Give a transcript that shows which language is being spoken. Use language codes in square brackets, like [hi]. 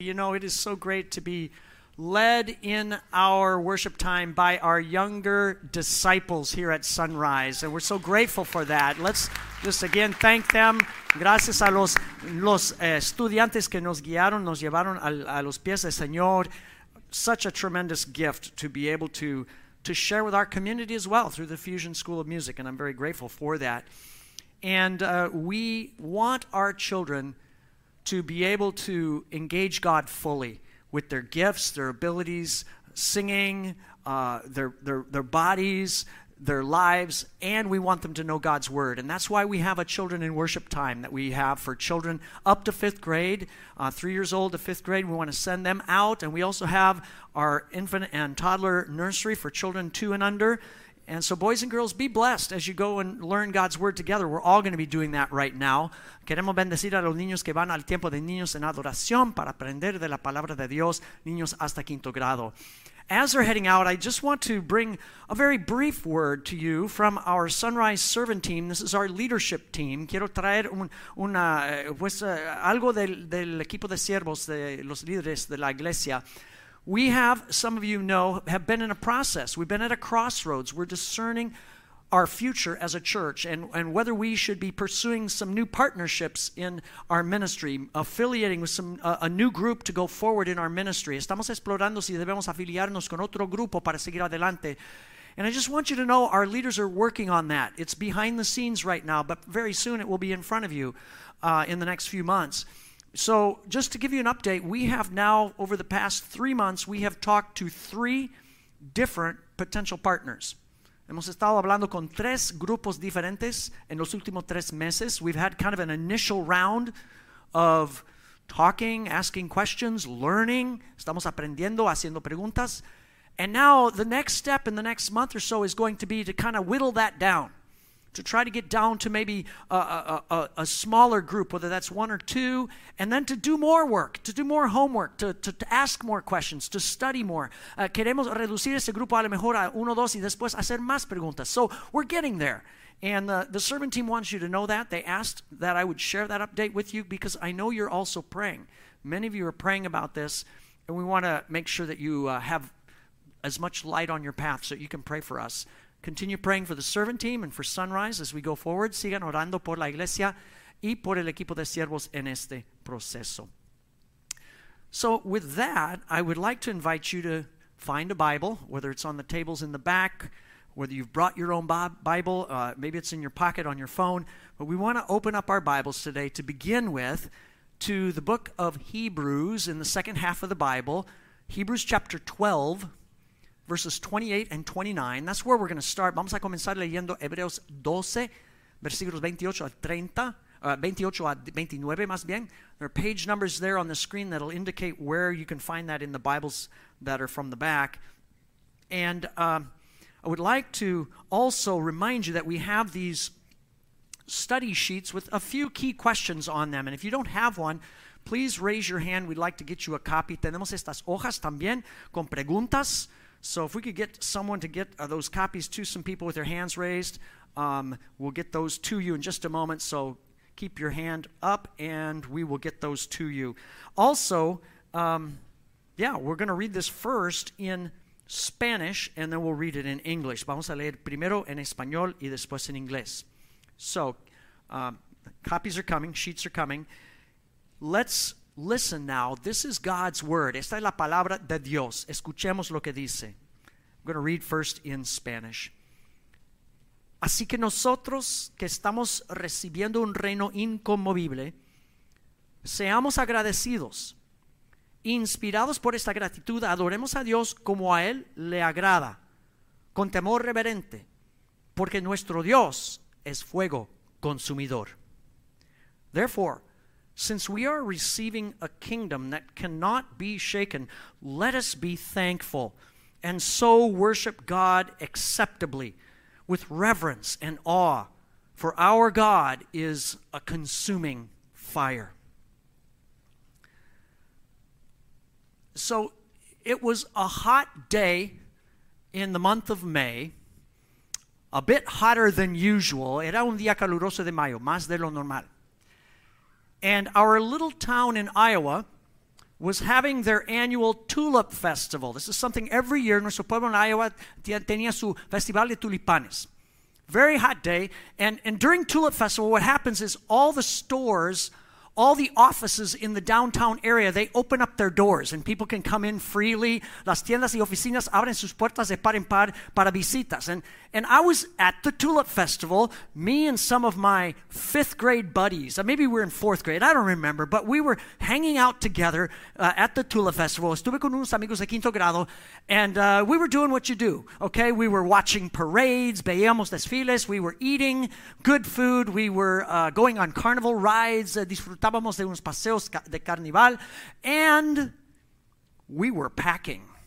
[en] You know, it is so great to be led in our worship time by our younger disciples here at Sunrise, and we're so grateful for that. Let's just again thank them. [es] Gracias a los estudiantes que nos guiaron, nos llevaron a los pies del Señor. [en] Such a tremendous gift to be able to share with our community as well through the Fusion School of Music, and I'm very grateful for that. And we want our children to be able to engage God fully with their gifts, their abilities, singing, their bodies, their lives, and we want them to know God's Word. And that's why we have a children in worship time that we have for children up to fifth grade, 3 years old to fifth grade. We want to send them out, and we also have our infant and toddler nursery for children two and under. And so, boys and girls, be blessed as you go and learn God's Word together. We're all going to be doing that right now. [es] Queremos bendecir a los niños que van al tiempo de niños en adoración para aprender de la palabra de Dios, niños hasta quinto grado. [en] As they're heading out, I just want to bring a very brief word to you from our Sunrise Servant Team. This is our leadership team. [es] Quiero traer algo del equipo de siervos, de los líderes de la iglesia. [en] We have, some of you know, have been in a process. We've been at a crossroads. We're discerning our future as a church and whether we should be pursuing some new partnerships in our ministry, affiliating with a new group to go forward in our ministry. [es] Estamos explorando si debemos afiliarnos con otro grupo para seguir adelante. [en] And I just want you to know our leaders are working on that. It's behind the scenes right now, but very soon it will be in front of you in the next few months. So just to give you an update, we have now, over the past 3 months, we have talked to 3 different potential partners. [es] Hemos estado hablando con 3 grupos diferentes en los últimos 3 meses. [en] We've had kind of an initial round of talking, asking questions, learning. [es] Estamos aprendiendo, haciendo preguntas. [en] And now the next step in the next month or so is going to be to kind of whittle that down, to try to get down to maybe a smaller group, whether that's 1 or 2, and then to do more work, to do more homework, to ask more questions, to study more. [es] Queremos reducir ese grupo a lo mejor a 1 o 2 y después hacer más preguntas. [en] So we're getting there. And the sermon team wants you to know that. They asked that I would share that update with you because I know you're also praying. Many of you are praying about this, and we want to make sure that you have as much light on your path so you can pray for us. Continue praying for the servant team and for Sunrise as we go forward. [es] Sigan orando por la iglesia y por el equipo de siervos en este proceso. [en] So with that, I would like to invite you to find a Bible, whether it's on the tables in the back, whether you've brought your own Bible, maybe it's in your pocket on your phone. But we want to open up our Bibles today to begin with to the book of Hebrews in the second half of the Bible, Hebrews chapter 12. Verses 28 and 29. That's where we're going to start. [es] Vamos a comenzar leyendo Hebreos 12, versículos 28 al 30, 28 a 29, más bien. [en] There are page numbers there on the screen that'll indicate where you can find that in the Bibles that are from the back. And I would like to also remind you that we have these study sheets with a few key questions on them. And if you don't have one, please raise your hand. We'd like to get you a copy. [es] Tenemos estas hojas también con preguntas. [en] So if we could get someone to get those copies to some people with their hands raised, we'll get those to you in just a moment. So keep your hand up, and we will get those to you. Also, we're going to read this first in Spanish, and then we'll read it in English. [es] Vamos a leer primero en español y después en inglés. [en] So copies are coming, sheets are coming. Let's listen now. This is God's word. [es] Esta es la palabra de Dios. Escuchemos lo que dice. [en] I'm going to read first in Spanish. [es] Así que nosotros que estamos recibiendo un reino inconmovible, seamos agradecidos. Inspirados por esta gratitud, adoremos a Dios como a Él le agrada, con temor reverente, porque nuestro Dios es fuego consumidor. [en] Therefore, since we are receiving a kingdom that cannot be shaken, let us be thankful and so worship God acceptably with reverence and awe, for our God is a consuming fire. So it was a hot day in the month of May, a bit hotter than usual. [es] Era un día caluroso de mayo, más de lo normal. [en] And our little town in Iowa was having their annual tulip festival. This is something every year. [es] Nuestro pueblo en Iowa tenía su festival de tulipanes. [en] Very hot day. And during tulip festival, what happens is all the stores, all the offices in the downtown area, they open up their doors and people can come in freely. [es] Las tiendas y oficinas abren sus puertas de par en par para visitas. [en] And I was at the tulip festival, me and some of my fifth grade buddies. Maybe we were in fourth grade, I don't remember, but we were hanging out together at the tulip festival. [es] Estuve con unos amigos de quinto grado, [en] and we were doing what you do, okay? We were watching parades, [es] veíamos desfiles, [en] we were eating good food, we were going on carnival rides, [es] disfrutábamos de unos paseos de carnival, [en] and we were packing.